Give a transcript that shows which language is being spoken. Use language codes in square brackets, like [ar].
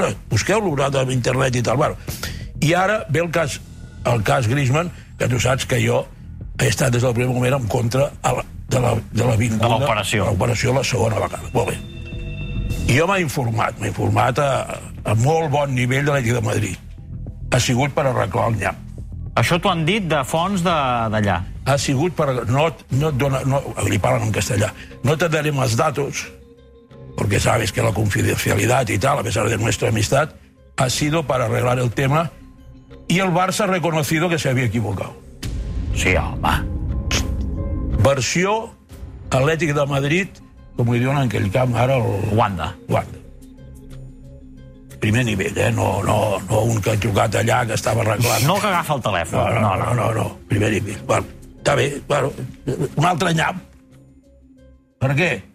[ca] Busqueu-lo a internet i tal. I ara ve el cas Griezmann, que tu saps que jo he estat des del primer moment en contra de la vinguda, de l'operació. L'operació la segona vegada. Molt bé. I jo m'he informat a molt bon nivell de l'Atlètic de Madrid. Ha sigut per arreglar el nyap. Això t'ho han dit de fonts d'allà? Ha sigut per... li parlen en castellà. [es] No te daré más datos, [ca] perquè [es] sabes que [ca] la confidencialitat i tal, [es] a pesar de nuestra amistat, ha sido para arreglar el tema i el Barça ha reconocido que se había equivocado. [ca] Sí, home. Versió Atlètic de Madrid... com li diuen en aquell camp, ara el... Wanda. Primer nivell, eh? No un que ha trucat allà, que estava arreglant. No que agafa el telèfon. No. Primer nivell. Bueno, està bé. Bueno, un altre nyap. Per què?